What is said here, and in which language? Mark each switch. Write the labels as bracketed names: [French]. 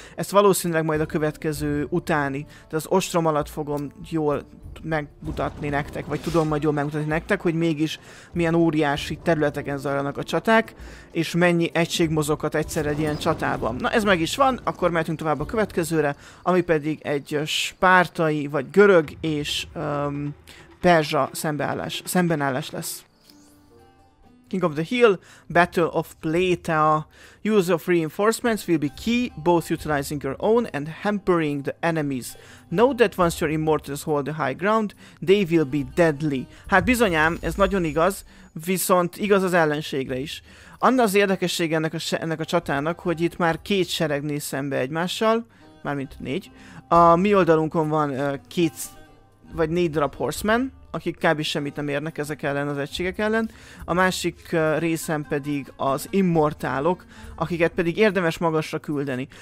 [Hungarian] Ezt valószínűleg majd a következő utáni, de az ostrom alatt fogom jól megmutatni nektek, vagy tudom majd jól megmutatni nektek, hogy mégis milyen óriási területeken zajlanak a csaták, és mennyi egység mozoghat egyszer egy ilyen csatában. Na ez meg is van, akkor mehetünk tovább a következőre, ami pedig egy spártai, vagy görög és perzsa szembenállás lesz. [English] King of the Hill, Battle of Plataea. Use of reinforcements will be key, both utilizing your own and hampering the enemies. Note that once your immortals hold the high ground, they will be deadly. [Hungarian] Hát bizonyám, ez nagyon igaz, viszont igaz az ellenségre is. Anna az érdekesség ennek a csatának, hogy itt már két sereg néz szembe egymással, mármint négy. A mi oldalunkon van két vagy négy drop horseman, akik kb. Semmit nem érnek ezek ellen az egységek ellen. A másik részen pedig az immortálok, akiket pedig érdemes magasra küldeni.